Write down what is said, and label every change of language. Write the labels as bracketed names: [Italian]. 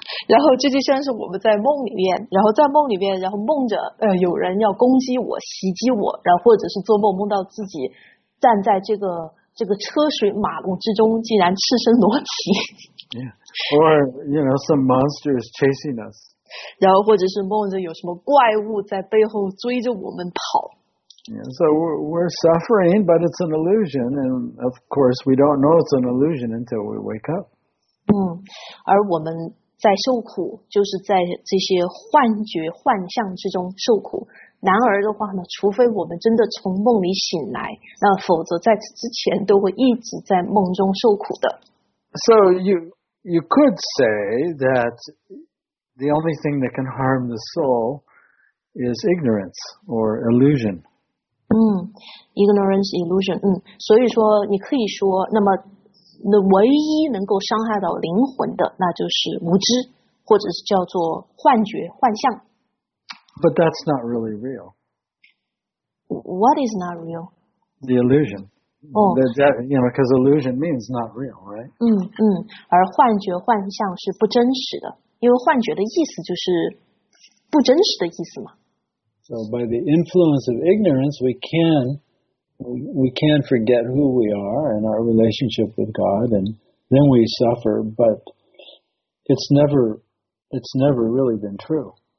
[Chinese] 然后这就像是我们在梦里面，然后在梦里面，然后梦着有人要攻击我、袭击我，然后或者是做梦梦到自己站在这个车水马龙之中，竟然赤身裸体。 [English] Yeah. Or you know, some monster is chasing us. [Chinese] 然后或者是梦着有什么怪物在背后追着我们跑。 [English] Yeah, so we're suffering, but it's an illusion, and of course we don't know it's an illusion until we wake up. [Chinese] 而我们在受苦，就是在这些幻觉、幻象之中受苦。然而的话呢，除非我们真的从梦里醒来，那否则在此之前都会一直在梦中受苦的。 [English] So you could say that the only thing that can harm the soul is ignorance or illusion. Ignorance, illusion. [Chinese] 所以说你可以说，那么那唯一能够伤害到灵魂的，那就是无知，或者是叫做幻觉、幻象。 [English] But that's not really real. What is not real? The illusion. Because illusion means not real, right? [Chinese] 而幻觉、幻象是不真实的，因为幻觉的意思就是不真实的意思嘛。 [English] So by the influence of ignorance, we can forget who we are and our relationship with God, and then we suffer. But it's never really been true.